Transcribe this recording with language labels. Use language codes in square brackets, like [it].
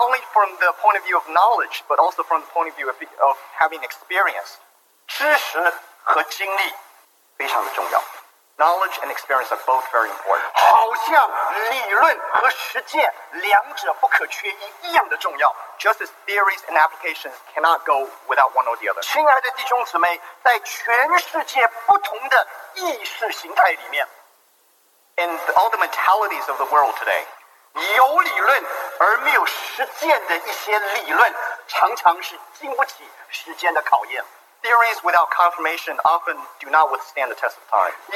[en] only from the point of view of knowledge, but also from the point of view of having experience. [zh] 知识和经历非常的重要。 [en] Knowledge and experience are both very important. [zh] 好像理论和实践两者不可缺一样的重要。 [en] Just as theories and applications cannot go without one or the other. [zh] 亲爱的弟兄姊妹，在全世界不同的意识形态里面， [en] in all the mentalities of the world today, [zh] 有理论而没有实践的一些理论，常常是经不起时间的考验。 [en] Theories without confirmation often do not withstand the test of time.